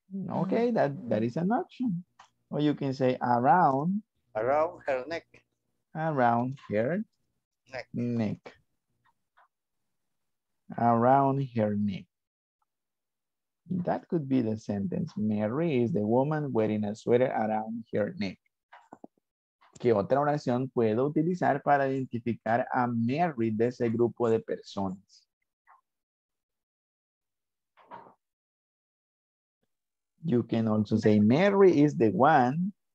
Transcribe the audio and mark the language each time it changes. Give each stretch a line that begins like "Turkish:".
English: Okay, that is an option. Or you can say around her neck. Around her neck. Around her neck. That could be the sentence. Mary is the woman wearing a sweater around her neck.
Spanish: ¿Qué otra oración puedo utilizar para identificar a Mary de ese grupo de personas?
English: You can also say Mary is the one.